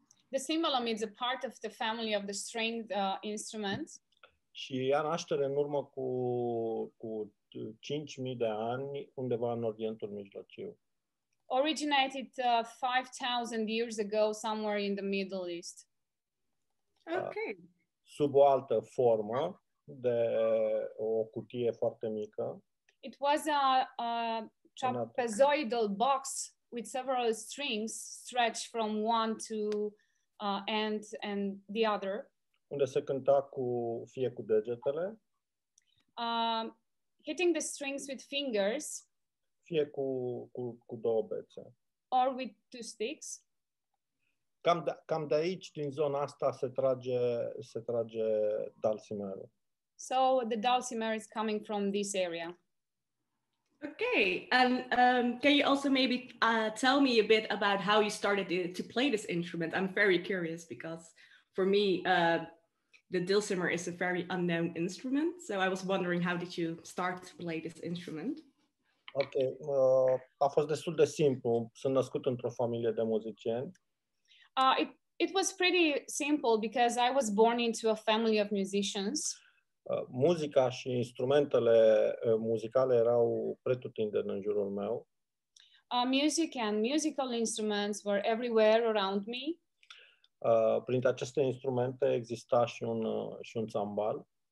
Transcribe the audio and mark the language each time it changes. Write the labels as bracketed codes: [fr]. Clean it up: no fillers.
[en] The cimbalom is a part of the family of the string instruments. [ro] Și ia naștere în urmă cu 5.000 de ani undeva în Orientul Mijlociu. [en] Originated 5,000 years ago somewhere in the Middle East. Okay. [ro] Sub o altă formă de o cutie foarte mică. [en] It was a trapezoidal box with several strings stretched from one to end and the other. [ro] Unde se cânta cu degetele. [en] Hitting the strings with fingers. [ro] Fie cu două bețe. [en] Or with two sticks. [ro] Cam de aici, din zona asta, se trage dulcimerul. [en] So the dulcimer is coming from this area. Okay, and can you also maybe tell me a bit about how you started to play this instrument? I'm very curious because for me, the dulcimer is a very unknown instrument. So I was wondering, how did you start to play this instrument? [ro] Okay, a fost destul de simplu. Sunt născut într-o familie de muzicieni. [en] It was pretty simple because I was born into a family of musicians. [ro] Muzica și instrumentele muzicale erau pretutindeni în jurul meu. [en] Music and musical instruments were everywhere around me. [ro] Printre aceste instrumente exista și un cimbal.